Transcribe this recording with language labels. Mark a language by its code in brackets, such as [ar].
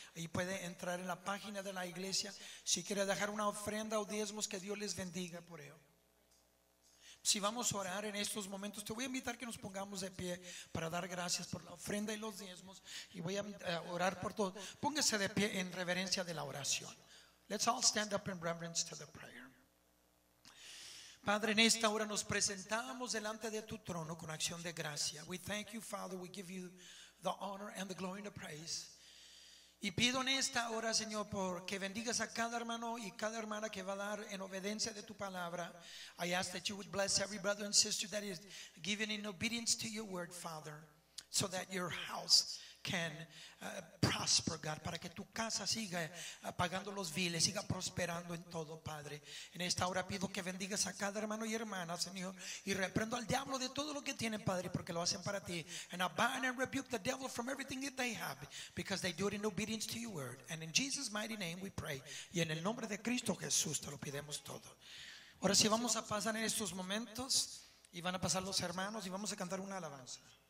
[es] Ahí puede entrar en la página de la iglesia. Si quiere dejar una ofrenda o diezmos, que Dios les bendiga por ello. Si vamos a orar en estos momentos, te voy a invitar que nos pongamos de pie para dar gracias por la ofrenda y los diezmos, y voy a orar por todos. Póngase de pie en reverencia de la oración. [en] Let's all stand up in reverence to the prayer. [es] Padre, en esta hora nos presentamos delante de tu trono con acción de gracia. [en] We thank you, Father. We give you the honor and the glory and the praise. [es] Y pido en esta hora, Señor, por que bendigas a cada hermano y cada hermana que va a dar en obediencia de tu palabra. [en] I ask that you would bless every brother and sister that is giving in obedience to your word, Father, so that your house can prosper, God, [es] para que tu casa siga pagando los biles, siga prosperando en todo, Padre. En esta hora pido que bendigas a cada hermano y hermana, Señor, y reprendo al diablo de todo lo que tiene, Padre, porque lo hacen para ti. [en] And I bind and rebuke the devil from everything that they have, because they do it in obedience to your word. And in Jesus' mighty name we pray. [es] Y en el nombre de Cristo Jesús te lo pedimos todo. Ahora sí, vamos a pasar en estos momentos, y van a pasar los hermanos, y vamos a cantar una alabanza.